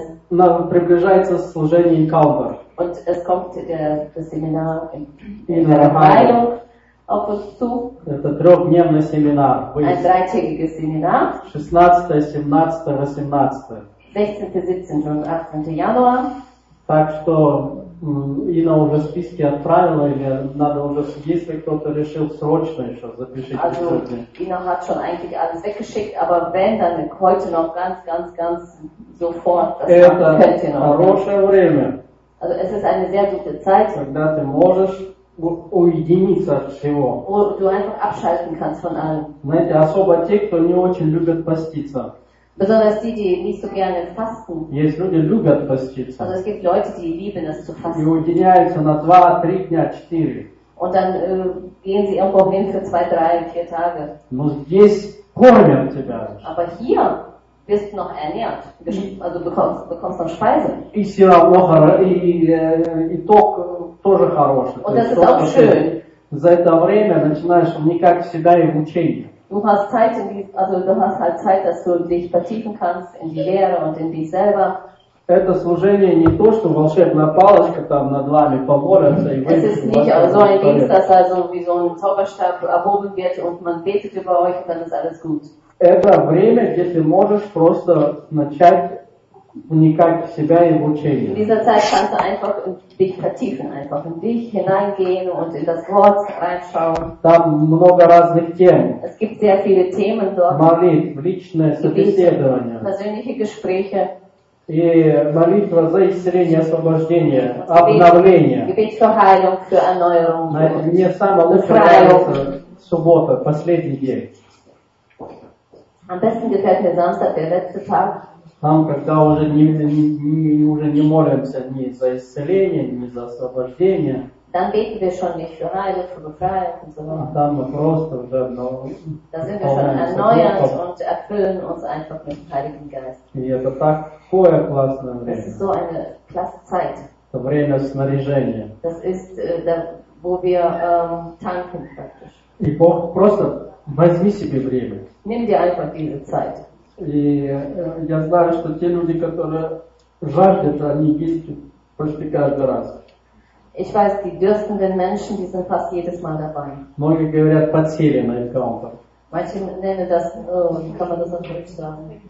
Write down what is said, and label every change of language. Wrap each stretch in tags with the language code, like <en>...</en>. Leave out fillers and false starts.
<ru>Нам приближается служение Калбер.</ru> <de>Und es kommt das Seminar in der Heilung auf uns zu.</de> <ru>Это трехдневный семинар.</ru> <de>Ein dreitägiges Seminar. 16, 17, 18. 16, 17 und 18 Januar.</de> <ru>Так что Инна уже в списке отправила, или надо уже, если кто-то решил срочно еще запишите.</ru> <de>Also, Инна hat schon eigentlich alles weggeschickt, aber wenn, dann heute noch ganz, ganz, ganz sofort.</de> <ru>Это хорошее время.</ru> <de>Also, es ist eine sehr gute Zeit.</de> <ru>Когда ты можешь уединиться от всего.</ru> <de>Wo du einfach abschalten kannst von allem.</de> <ru>Знаете, особо те, кто не очень любит поститься.</ru> <de>Besonders die, die nicht so gerne fasten.</de> <ru>Есть люди, любят поститься.</ru> <de>Also es gibt Leute, die lieben es zu fasten.</de> <ru>И уединяются на 2, 3 дня, 4.</ru> <de>Und dann gehen sie irgendwo hin für 2, 3, 4 Tage.</de> <ru>Но здесь кормят тебя.</ru> <de>Aber hier bist du noch ernährt. Also bekommst noch Speise.</de> <ru>И все равно, итог тоже хороший.</ru> <de>Und das ist auch schön.</de> <ru>За это время начинаешь вникать в себя и в учение.</ru> <de>Du hast Zeit, in die, also du hast halt Zeit, dass du dich vertiefen kannst in die Lehre und in dich selber.</de> <ru>Это служение не то, что волшебная палочка там над вами поборется и выйдет.</ru> <de>Es ist nicht so ein Ding, dass also wie so ein Zauberstab erhoben wird und man betet über euch und dann ist alles gut.</de> <ru>Это время, где ты можешь просто начать уникать себя и учение.</ru> <de>In dieser Zeit kannst du einfach dich vertiefen, einfach in dich hineingehen und in das Wort reinschauen.</de> <ru>Там много разных тем.</ru> <de>Es gibt sehr viele Themen dort.</de> <ru>Молитв, личное собеседование.</ru> <de>Persönliche Gespräche.</de> <ru>И молитва за исцеление, освобождение, обновление.</ru> <de>Gebet für Heilung, für Erneuerung.</de> <ru>Мне самое лучшее нравится суббота, последний день.</ru> <de>Am besten gefällt mir Samstag, der letzte Tag.</de> <ru>Там, когда уже не молимся ни за исцеление, ни за освобождение.</ru> <de>Dann beten wir schon nicht für Heilung, für Befreiung und so weiter.</de> <ru>Там мы просто уже обновлены.</ru> <de>Da sind wir schon erneuert und erfüllen uns einfach mit dem Heiligen Geist.</de> <ru>И это такое классное время.</ru> <de>Das ist so eine klasse Zeit.</de> <ru>Это время снаряжения.</ru> <de>Das ist, da, wo wir tanken praktisch.</de> <ru>И Бог просто возьми себе время.</ru> <de>Nimm dir einfach diese Zeit.</de> <ru>И я знаю, что те люди, которые жаждут, они есть почти каждый раз.</ru> <de>Ich weiß, die dürstenden Menschen, die sind fast jedes Mal dabei.</de> <ru>Многие говорят подсели на аккаунтах.</ru> <de>Manche nennen das, kann man das auf Deutsch sagen?</de>